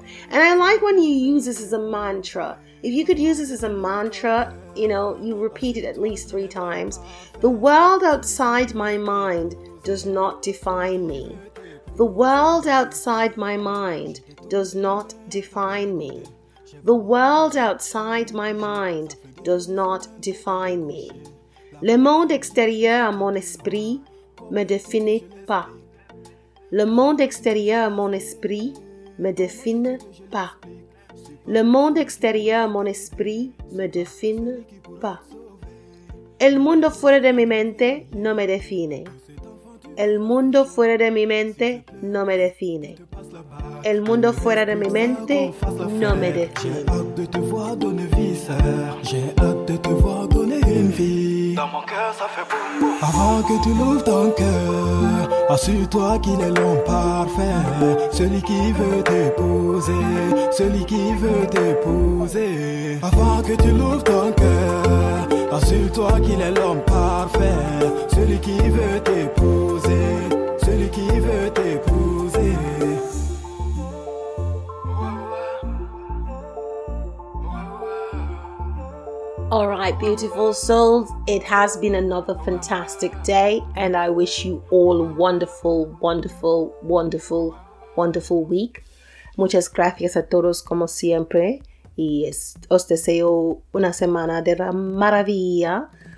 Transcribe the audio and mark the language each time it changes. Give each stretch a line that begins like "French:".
English: And I like when you use this as a mantra. If you could use this as a mantra, you know, you repeat it at least three times. The world outside my mind does not define me. The world outside my mind does not define me. The world outside my mind does not define me.
French: Le monde extérieur à mon esprit me définit pas. Le monde extérieur à mon esprit me définit pas. Le monde extérieur à mon esprit me définit pas.
Spanish: El mundo fuera de mi mente no me define. El mundo fuera de mi mente no me define. El mundo fuera de mi mente no me define.
French: J'ai hâte de te voir donner vie, sœur. J'ai hâte de te voir donner une vie. Dans mon cœur, ça fait boum. Avant que tu l'ouvres ton cœur, assure-toi qu'il est l'homme parfait. Celui qui veut t'épouser, celui qui veut t'épouser. Avant que tu l'ouvres ton cœur, assure-toi qu'il est l'homme parfait. Celui qui veut t'épouser, celui qui veut t'épouser.
English: All right, beautiful souls, it has been another fantastic day, and I wish you all a wonderful, wonderful, wonderful, wonderful week.
Spanish: Muchas gracias a todos, como siempre, y os deseo una semana de la maravilla.